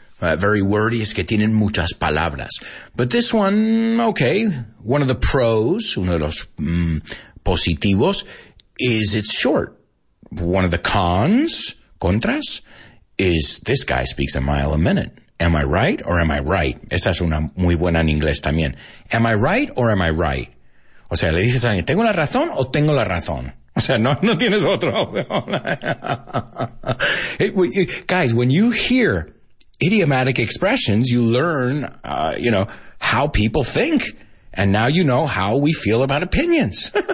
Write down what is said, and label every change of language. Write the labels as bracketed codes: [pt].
[en] Very wordy, [es] es que tienen muchas palabras. [en] But this one, okay, one of the pros, [es] uno de los positivos, [en] is it's short. One of the cons, contras, is this guy speaks a mile a minute. Am I right or am I right? [es] Esa es una muy buena en inglés también. [en] Am I right or am I right? [es] O sea, le dices a alguien, ¿tengo la razón o tengo la razón? O sea, no tienes otra. [en] Guys, when you hear idiomatic expressions, you learn, how people think. And now you know how we feel about opinions.